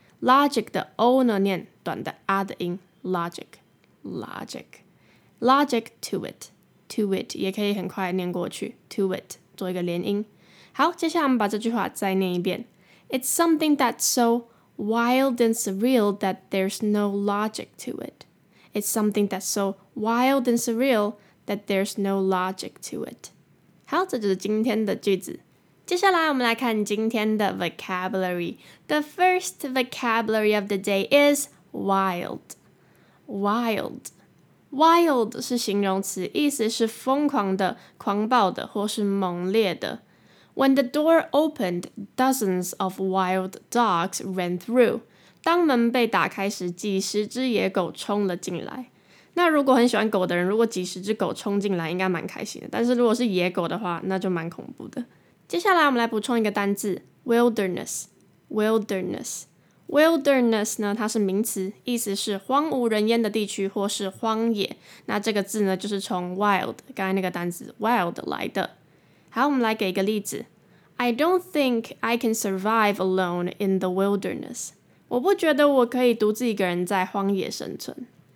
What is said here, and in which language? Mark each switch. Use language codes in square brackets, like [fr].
[en] Logic 的 O 呢念短的 A 的音 Logic Logic Logic to it To it [zh] 也可以很快念过去 [en] To it [zh] 做一个连音好接下来我们把这句话再念一遍 [en] It's something that's so wild and surreal that there's no logic to it It's something that's so wild and surreal that there's no logic to it [zh] 好这就是今天的句子接下来我们来看今天的 [en] vocabulary. The first vocabulary of the day is wild. Wild. [zh] Wild 是形容词，意思是疯狂的、狂暴的或是猛烈的。 [en] When the door opened, dozens of wild dogs ran through. [zh] 当门被打开时，几十只野狗冲了进来。那如果很喜欢狗的人，如果几十只狗冲进来，应该蛮开心的。但是如果是野狗的话，那就蛮恐怖的。接下来我们来补充一个单字 wilderness wilderness wilderness 呢它是名词意思是荒无人烟的地区或是荒野那这个字呢就是从 wild 刚才那个单字 wild 来的好我们来给一个例子 [en] I don't think I can survive alone in the wilderness [zh] 我不觉得我可以独自一个人在荒野生存